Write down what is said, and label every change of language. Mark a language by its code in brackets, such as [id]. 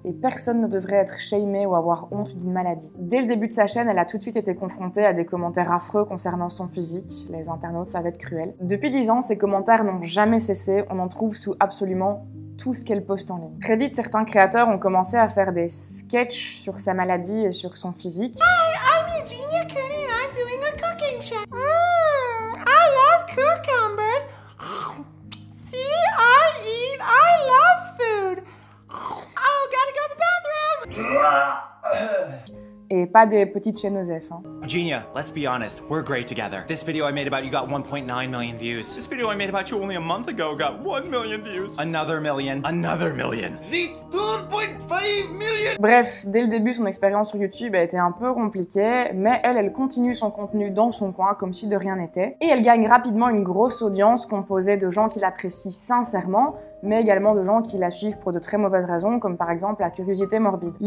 [fr] Et personne ne devrait être shamé ou avoir honte d'une maladie. Dès le début de sa chaîne, elle a tout de suite été confrontée à des commentaires affreux concernant son physique. Les internautes savaient être cruels. Depuis 10 ans, ces commentaires n'ont jamais cessé, on en trouve sous absolument tout ce qu'elle poste en ligne. Très vite, certains créateurs ont commencé à faire des sketchs sur sa maladie et sur son physique. [en] Hi, I'm Eugenia Kelly and I'm doing a cooking show. I love cucumbers. See, I love food. Oh, gotta go to the bathroom. [fr] Et pas des petites chaînes aux F, hein. [en] Eugenia, let's be honest, we're great together. This video I made about you got 1.9 million views. This video I made about you only a month ago got 1 million views. Another million. Another million. [fr] C'est 2.5 million. Bref, dès le début, son expérience sur YouTube a été un peu compliquée, mais elle continue son contenu dans son coin comme si de rien n'était. Et elle gagne rapidement une grosse audience composée de gens qui l'apprécient sincèrement, mais également de gens qui la suivent pour de très mauvaises raisons, comme par exemple la curiosité morbide.